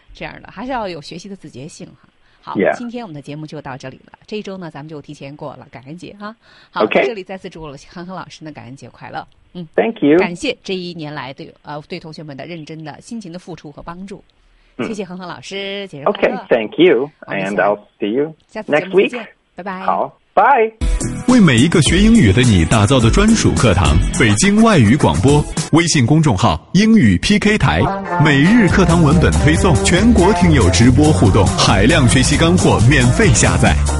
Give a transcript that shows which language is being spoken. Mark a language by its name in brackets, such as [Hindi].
[Chinese] 这样的还是要有学习的自觉性哈。好， [English] yeah. [Chinese] 今天我们的节目就到这里了。这一周呢，咱们就提前过了感恩节哈、啊。好， okay. 这里再次祝了康康老师的感恩节快乐。 [English] Thank you。 [Chinese] 感谢这一年来对同学们的认真的、辛勤的付出和帮助。谢谢恒恒老师，节日快乐。 [English] Okay, thank you, and I'll see you next week. [Chinese] 拜拜。好 ，Bye。为每一个学英语的你打造的专属课堂，北京外语广播微信公众号英语 PK 台，每日课堂文本推送，全国听友直播互动，海量学习干货免费下载。